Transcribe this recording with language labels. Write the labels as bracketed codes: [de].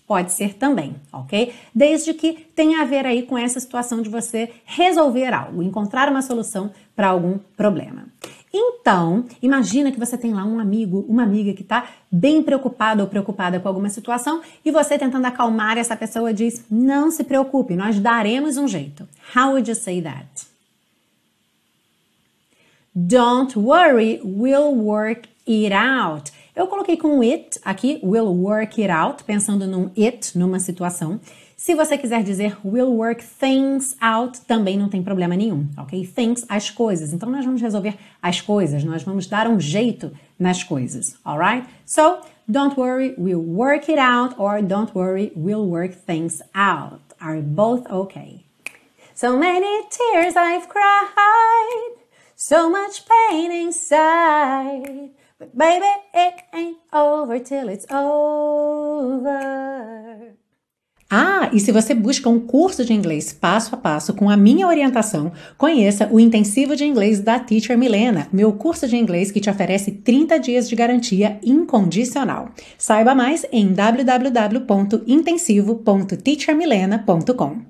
[pt] Pode ser também, ok? Desde que tenha a ver aí com essa situação de você resolver algo, encontrar uma solução para algum problema. Então, imagina que você tem lá um amigo, uma amiga que está bem preocupado ou preocupada com alguma situação e você tentando acalmar essa pessoa diz: não se preocupe, nós daremos um jeito. [en] How would you say that? Don't worry, we'll work it out. [pt] Eu coloquei com it aqui, [en] we'll work it out, [pt] pensando num it, numa situação. Se você quiser dizer [en] we'll work things out, [pt] também não tem problema nenhum, ok? Things, as coisas. Então nós vamos resolver as coisas, nós vamos dar um jeito nas coisas, alright? [en] So, don't worry, we'll work it out, or don't worry, we'll work things out. Are both okay? So many tears I've cried, so much pain inside. But baby, it ain't over till it's over. [pt] Ah, e se você busca um curso de inglês passo a passo com a minha orientação, conheça o Intensivo de Inglês da Teacher Milena, meu curso de inglês que te oferece 30 dias de garantia incondicional. Saiba mais em www.intensivo.teachermilena.com.